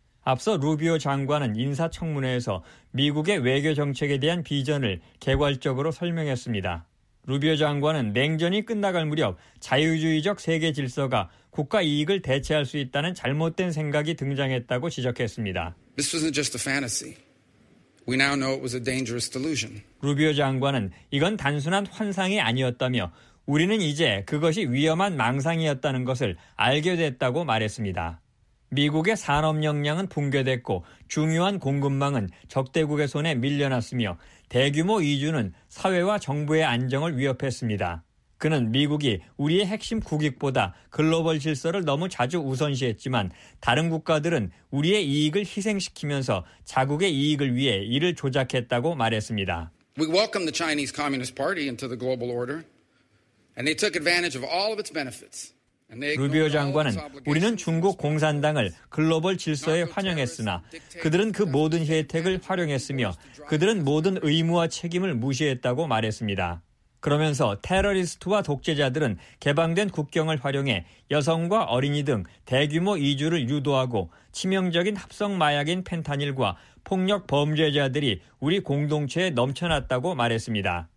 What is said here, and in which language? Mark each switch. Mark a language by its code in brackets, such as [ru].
[ko] 앞서 루비오 장관은 인사청문회에서 미국의 외교정책에 대한 비전을 개괄적으로 설명했습니다. 루비오 장관은 냉전이 끝나갈 무렵 자유주의적 세계 질서가 국가 이익을 대체할 수 있다는 잘못된 생각이 등장했다고 지적했습니다. [en] This wasn't just a fantasy. We now know it was a dangerous delusion. [ko] 루비오 장관은 이건 단순한 환상이 아니었다며 우리는 이제 그것이 위험한 망상이었다는 것을 알게 됐다고 말했습니다. 미국의 산업 역량은 붕괴됐고 중요한 공급망은 적대국의 손에 밀려났으며 대규모 이주는 사회와 정부의 안정을 위협했습니다. 그는 미국이 우리의 핵심 국익보다 글로벌 질서를 너무 자주 우선시했지만 다른 국가들은 우리의 이익을 희생시키면서 자국의 이익을 위해 이를 조작했다고 말했습니다. [en] We welcome the Chinese Communist Party into the global order and they took advantage of all of its benefits. [ko] 루비오 장관은 우리는 중국 공산당을 글로벌 질서에 환영했으나 그들은 그 모든 혜택을 활용했으며 그들은 모든 의무와 책임을 무시했다고 말했습니다. 그러면서 테러리스트와 독재자들은 개방된 국경을 활용해 여성과 어린이 등 대규모 이주를 유도하고 치명적인 합성 마약인 펜타닐과 폭력 범죄자들이 우리 공동체에 넘쳐났다고 말했습니다.